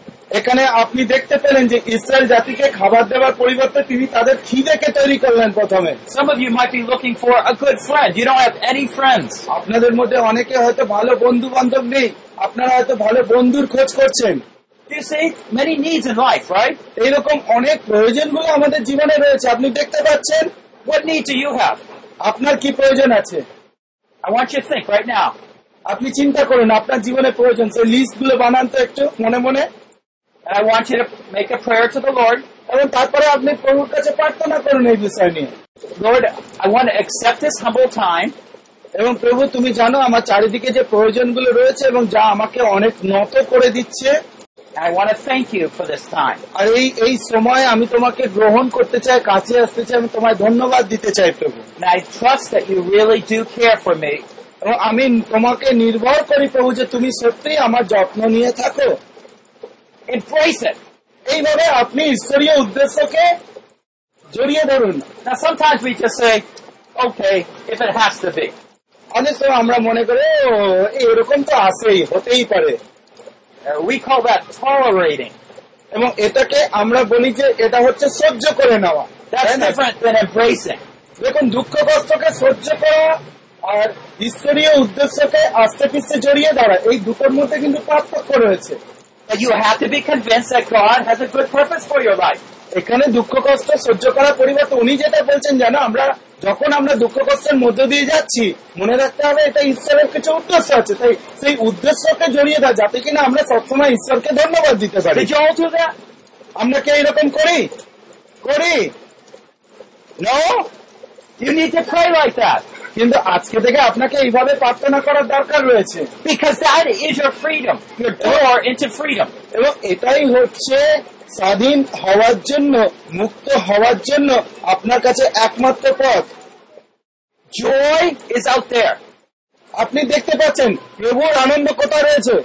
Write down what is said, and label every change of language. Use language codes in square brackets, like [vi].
[bn] এখানে আপনি দেখতে পেলেন যে ইসরায়েল জাতিকে খাবার দেওয়ার পরিবর্তে তিনি তাদের খিদেকে তৈরি করলেন প্রথমে। [en] Some of you might be looking for a good friend. You don't have any friends. [bn] আপনাদের মধ্যে অনেকে হয়তো ভালো বন্ধু বান্ধব নেই, আপনারা হয়তো ভালো বন্ধুর খোঁজ করছেন। [en] You see, many needs in life, right? [bn] এরকম অনেক প্রয়োজনগুলো আমাদের জীবনে রয়েছে, আপনি দেখতে পাচ্ছেন। [en] What need do you have? [bn] আপনার কি প্রয়োজন আছে? [en] I want you to think right now. [bn] আপনি চিন্তা করুন আপনার জীবনে প্রয়োজন, সেই লিস্ট গুলো বানান তো একটু মনে মনে। [en] And I want you to make a prayer to the Lord. [bn] এবং তারপরে আপনি প্রভুর কাছে প্রার্থনা করুন এই বিষয় নিয়ে। [en] Lord, I want to accept this humble time. [bn] এবং প্রভু তুমি জানো আমার চারিদিকে যে প্রয়োজনগুলো রয়েছে এবং যা আমাকে অনেক নত করে দিচ্ছে। [en] I want to thank you for this time. [bn] আর এই এই সময় আমি তোমাকে গ্রহণ করতে চাই, কাছে আসতে চাই, আমি তোমায় ধন্যবাদ দিতে চাই প্রভু। [en] And I trust that you really do care for me. [bn] এবং আমি তোমাকে নির্ভর করি প্রভু যে তুমি সত্যি আমার যত্ন নিয়ে থাকো। [en] Embrace it. [bn] এইভাবে আপনি ঈশ্বরীয় উদ্দেশ্যকে জড়িয়ে ধরুন। [en] Now sometimes we just say, okay, if it has to be. [bn] অনেক সময় আমরা মনে করি এরকম তো আসেই, হতেই পারে। [en] We call that tolerating. [bn] এবং এটাকে আমরা বলি যে এটা হচ্ছে সহ্য করে নেওয়া। [en] That's different than embracing. [bn] দেখুন, দুঃখ কষ্টকে সহ্য করা আর ঈশ্বরীয় উদ্দেশ্যকে আস্তে পিস্তে জড়িয়ে ধরা, এই দুটোর মধ্যে কিন্তু পার্থক্য রয়েছে। [en] But you have to be convinced that God has a good purpose for your life. [bn] এখানে দুঃখ কষ্ট সহ্য করার পরিবর্তে উনি যেটা বলছেন জানো, আমরা যখন আমরা দুঃখ কষ্টের মধ্যে দিয়ে যাচ্ছি মনে রাখতে হবে এটা ঈশ্বরের কিছু উদ্দেশ্য আছে, তাই সেই উদ্দেশ্যকে জড়িয়ে দেয় যাতে কিনা আমরা সবসময় ঈশ্বরকে ধন্যবাদ দিতে পারি। আমরা কি এইরকম করি? করি [en] No? You need to pray like that. [bn] কিন্তু আজকে থেকে আপনাকে এইভাবে প্রার্থনা করার দরকার রয়েছে। [en] Because that is your freedom, your door into freedom. [bn] এবং এটাই হচ্ছে স্বাধীন হওয়ার জন্য, মুক্ত হওয়ার জন্য আপনার কাছে একমাত্র পথ। [en] Joy is out there. [bn] আপনি দেখতে পাচ্ছেন প্রভুর আনন্দ কোথায় রয়েছে?